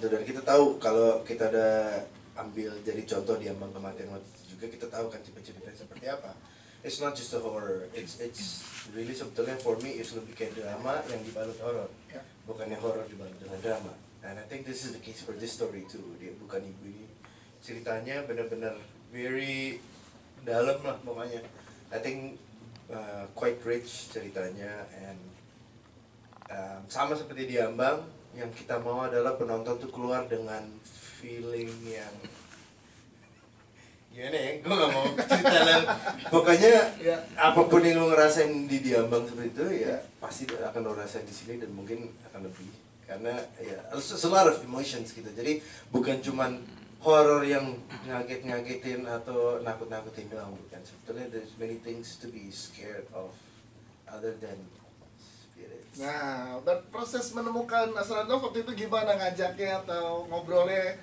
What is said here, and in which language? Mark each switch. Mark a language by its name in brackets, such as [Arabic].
[Indonesian] Dan kita tahu kalau kita ada ambil dari contoh Di Ambang Kematian waktu itu juga, kita tahu kan cerita-cerita seperti apa. [English] It's not just a horror. It's really sebetulnya for me it's [Indonesian] lebih kayak drama yang dibalut [English] horror. Yeah. [Indonesian] Bukannya horror dibalut dengan drama. [English] And I think this is the case for this story too. [Indonesian] Dia bukan ibu ini. Ceritanya benar-benar very dalam lah pokoknya. [English] I think quite rich [Indonesian] ceritanya, and sama seperti Di Ambang, yang kita mau adalah penonton tuh keluar dengan feeling yang ya nih, gue gak mau cerita lah. Pokoknya ya, apapun yang lo ngerasain di Di Ambang seperti itu, ya pasti akan lo rasain di sini dan mungkin akan lebih. Karena ya, [English] it's a lot of emotions [Indonesian] gitu. Jadi bukan cuman horror yang ngaget-ngagetin atau nakut-nakutin doang, bukan. Sebetulnya [English] there's many things to be scared of other than spirits. [Indonesian] Nah, dan proses menemukan Asrando waktu itu gimana, ngajaknya atau ngobrolnya?